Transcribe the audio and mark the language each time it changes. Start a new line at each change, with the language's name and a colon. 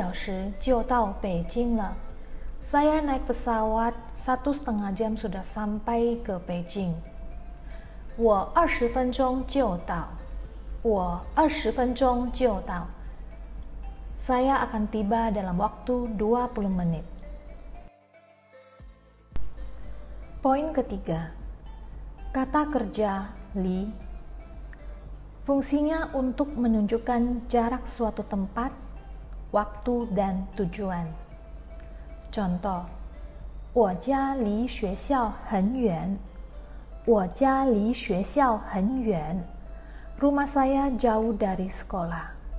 Chinese: 我坐飞机一个半小时就到北京了。我坐飞机一个半小时就到北京了。
Indonesian: Saya naik pesawat 1.5 jam sudah sampai ke Beijing.
Chinese: 我二十分钟就到。我二十分钟就到。
Indonesian: Saya akan tiba dalam waktu 20 menit. Poin ketiga, kata kerja li. Fungsinya untuk menunjukkan jarak suatu tempat, waktu dan tujuan.
Chinese: Contoh, 我家离学校很远。我家离学校很远.
Indonesian: Rumah saya jauh dari sekolah.